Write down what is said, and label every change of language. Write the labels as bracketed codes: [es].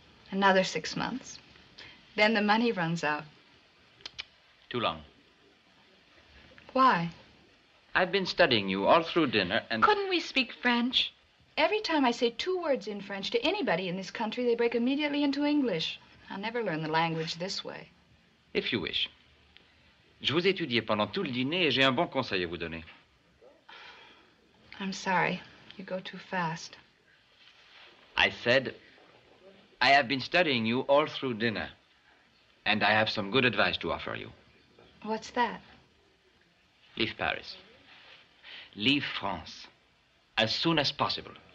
[en] Another 6 months. Then the money runs out. Too long. Why? I've been studying you all through dinner and... Couldn't we speak French? Every time I say two words in French to anybody in this country, they break immediately into English. I'll never learn the language this way. If you wish. [fr] Je vous étudiais pendant tout le dîner et j'ai un bon conseil à vous donner. [en] I'm sorry. You go too fast. I said, I have been studying you all through dinner. And I have some good advice to offer you. What's that? Leave Paris. Leave France as soon as possible.